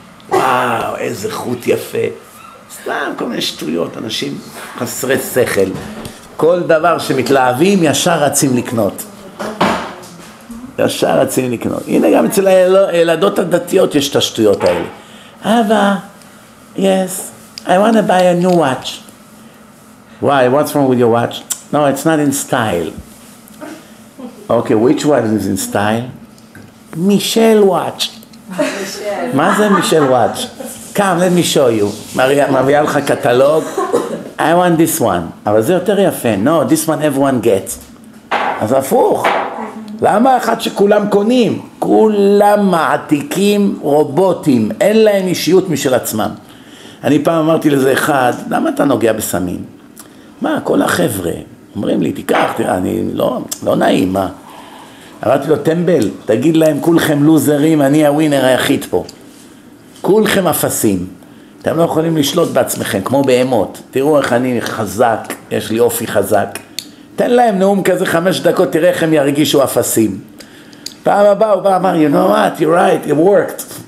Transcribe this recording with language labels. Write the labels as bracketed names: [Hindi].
[Hebrew] וואו, איזה חוט יפה. סתם, כל מיני שטויות, אנשים חסרי שכל. כל דבר שמתלהבים ישר רצים לקנות. ישר רצים לקנות. הנה גם אצל הילדות הדתיות יש את השטויות האלה. [English] אבא, yes, I want to buy a new watch. Why, what's wrong with your watch? No, it's not in style. Okay, which one is in style? [Hebrew] מישל watch. מה זה מישל watch? [English] Come, let me show you. [Hebrew] מביאה לך קטלוג. [English] I want this one. [Hebrew] אבל זה יותר יפה. [English] No, this one everyone gets. [Hebrew] אז הפוך. למה אחד שכולם קונים? כולם מעתיקים רובוטים. אין להם אישיות משל עצמם. אני פעם אמרתי לזה אחד, למה אתה נוגע בסמים? מה, כל החבר'ה אומרים לי, תיקח, תראה, אני לא נעים, מה? אמרתי לו, טמבל, תגיד להם, כולכם לוזרים, אני הווינר היחיד פה. כולכם אפסים. אתם לא יכולים לשלוט בעצמכם, כמו בהמות. תראו איך אני חזק, יש לי אופי חזק. תן להם נאום כזה 5 דקות, תראה איך הם ירגישו אפסים. פעם הבא הוא בא, אמר, [English] you know what, you're right, it worked.